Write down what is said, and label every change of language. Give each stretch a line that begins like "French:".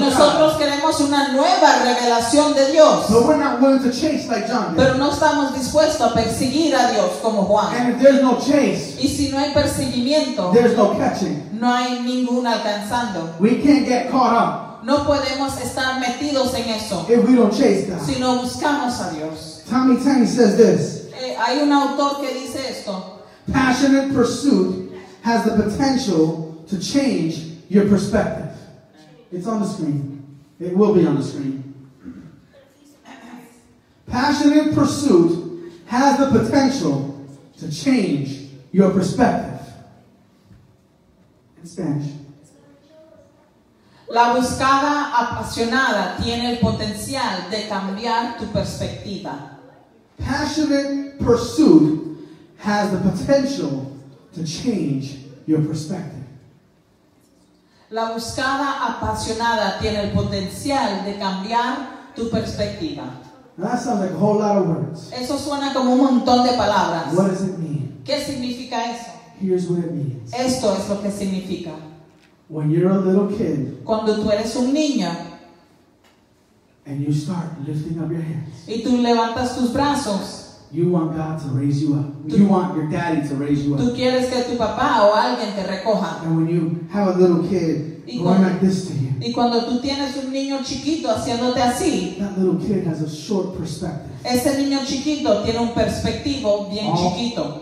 Spanish: God. Y nosotros queremos una nueva revelación de Dios.
English: But we're not willing to chase like John.
Spanish: Pero no estamos dispuestos a perseguir a Dios como Juan.
English: And if there's no chase,
Spanish: y si no hay perseguimiento,
English: there's no catching.
Spanish: No hay ningún alcanzando.
English: We can't get caught up.
Spanish: No podemos estar metidos en eso.
English: If we don't chase God.
Spanish: Si no buscamos a Dios.
English: Tommy Tang says this.
Spanish: Hay un autor que dice esto.
English: Passionate pursuit has the potential to change your perspective. It's on the screen. It will be on the screen. Passionate pursuit has the potential to change your perspective. In Spanish.
Spanish: La buscada apasionada tiene el potencial de cambiar tu perspectiva.
English: Passionate pursuit has the potential to change your perspective.
Spanish: La buscada apasionada tiene el potencial de cambiar tu perspectiva.
English: Now that sounds like a whole lot of words.
Spanish: Eso suena como un montón de palabras.
English: What does it mean?
Spanish: ¿Qué significa eso?
English: Here's what it means.
Spanish: Esto es lo que significa.
English: When you're a little kid.
Spanish: Cuando tú eres un niño.
English: And you start lifting up your hands.
Spanish: Y tú levantas tus brazos.
English: You want God to raise you up. Tú, you want your daddy to raise you up.
Spanish: Tú quieres que tu papá o alguien te recoja.
English: And when you have a little kid going like this to you.
Spanish: Y cuando tú tienes un niño chiquito haciéndote así.
English: That little kid has a short perspective.
Spanish: Ese niño chiquito tiene un perspectivo bien chiquito.